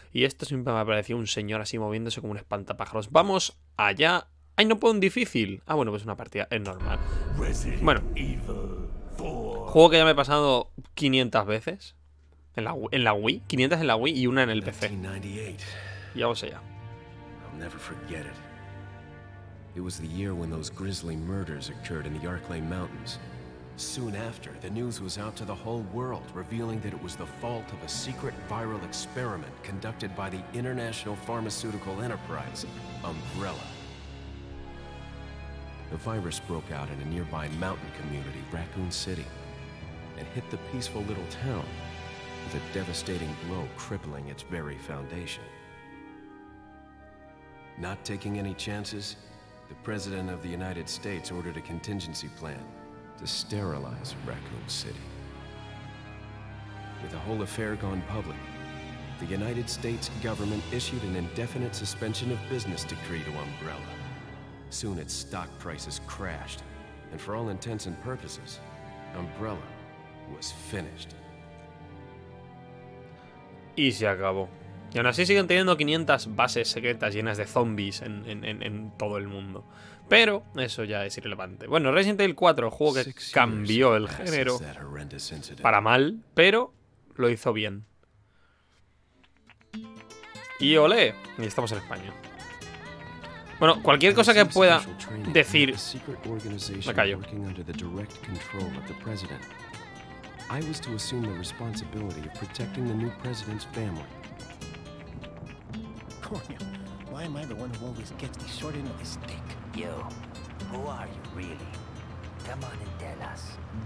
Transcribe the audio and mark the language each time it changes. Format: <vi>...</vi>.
<es>Y esto siempre me ha parecido un señor así moviéndose como un espantapájaros. Vamos allá. ¡Ay, no puedo un difícil! Ah, bueno, pues una partida, es normal. Bueno, juego que ya me he pasado 500 veces. En la Wii, 500 en la Wii y una en el PC. Y vamos allá.</es> <en>I'll never forget it. It was the year when those grisly murders occurred in the Arklay Mountains. Soon after, the news was out to the whole world, revealing that it was the fault of a secret viral experiment conducted by the International Pharmaceutical Enterprise, Umbrella. The virus broke out in a nearby mountain community, Raccoon City, and hit the peaceful little town with a devastating blow crippling its very foundation. Not taking any chances, the President of the United States ordered a contingency plan to sterilize Raccoon City. With the whole affair gone public, the United States government issued an indefinite suspension of business decree to Umbrella. Soon its stock prices crashed, and for all intents and purposes, Umbrella was finished.</en> <es>Y se acabó. Y aún así siguen teniendo 500 bases secretas llenas de zombies en todo el mundo. Pero eso ya es irrelevante. Bueno, Resident Evil 4, el juego que cambió el género para mal, pero lo hizo bien. Y olé, y estamos en España. Bueno, cualquier cosa que pueda decir, me callo.</es> <en>Under the direct control of the president, I was to assume the responsibility of protecting the new president's family. Coño, why am I the one who always gets the short end of the stick? Yo, who are you really? Come on and tell us.</en>